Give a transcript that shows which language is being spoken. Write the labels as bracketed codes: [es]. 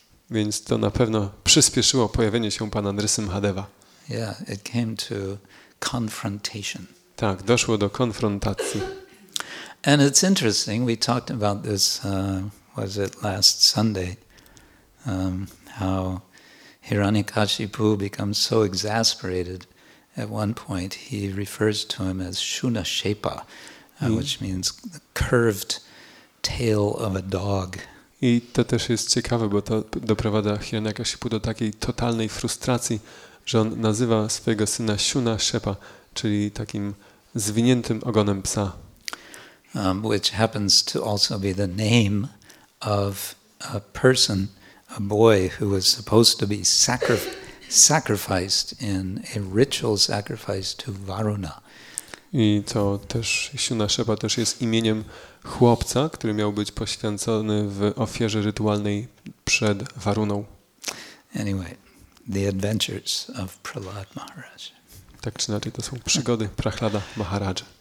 [pl] Więc to na pewno przyspieszyło pojawienie się Pana Nrisimhadeva. [en] Yeah, it came to confrontation. [pl] Tak, doszło do konfrontacji. [en] And it's interesting, we talked about this, was it last Sunday, how Hiranyakashipu becomes so exasperated at one point, he refers to him as Shunashepa, which means the curved tail of a dog. [pl] I to też jest ciekawe, bo to doprowadza Hiranyakashipu do takiej totalnej frustracji, że on nazywa swojego syna Shunashepa, czyli takim zwiniętym ogonem psa. [en] Which happens to also be the name of a person, a boy who was supposed to be sacrificed in a ritual sacrifice to Varuna. [pl] I to też Shunashepa też jest imieniem chłopca, który miał być poświęcony w ofierze rytualnej przed Varuną. [en] Anyway, the adventures of Prahlad Maharaj. [pl] Tak czy inaczej, to są przygody Prahlada Maharaja.